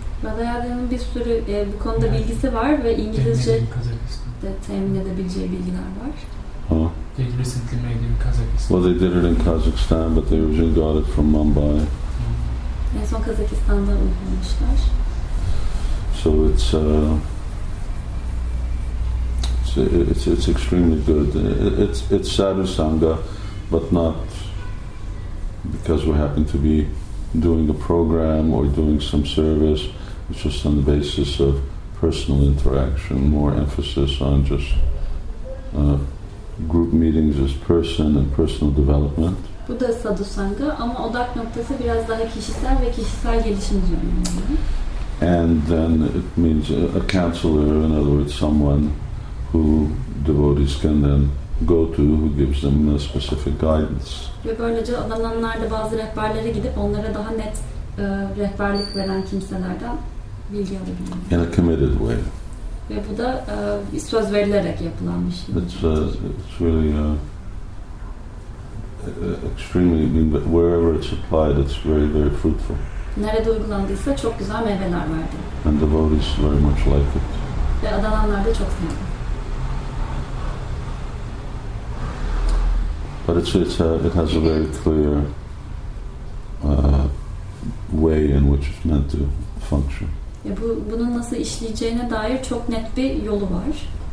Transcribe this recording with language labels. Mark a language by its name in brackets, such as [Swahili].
[Turkish] Radharaja'nın bir sürü bu konuda bilgisi var ve İngilizce de temin edebileceği bilgiler var. Huh? [English] They recently made in Kazakhstan. Well, they did it in Kazakhstan, but they originally got it from Mumbai. [Turkish] En son Kazakistan'da uygulamışlar. [English] So it's, it's extremely good. It's sadhusanga, but not because we happen to be doing a program or doing some service. It's just on the basis of personal interaction, more emphasis on just group meetings as person and personal development. [Turkish] Bu da sadhusanga, ama odak noktası biraz daha kişisel ve kişisel gelişim üzerine. [English] And then it means a counselor, in other words, someone who devotees can then go to, who gives them a specific guidance. [Turkish] Ve böylece adananlar da bazı rehberlere gidip onlara daha net rehberlik veren kimselerden bilgi alabilirler. [English] In a committed way. [Turkish] Ve bu da söz verilerek yapılan bir şey. [English] It's really extremely, wherever it's applied, it's very, very fruitful. [Turkish] Nerede uygulandıysa çok güzel meyveler verdi. [English] And devotees very much like it. [Turkish] Ve adananlar da çok sevdi. [English] Paracharita, it has a very clear way in which it's meant to function. [Turkish] Ya bu bunun nasıl işleyeceğine dair çok net bir yolu var.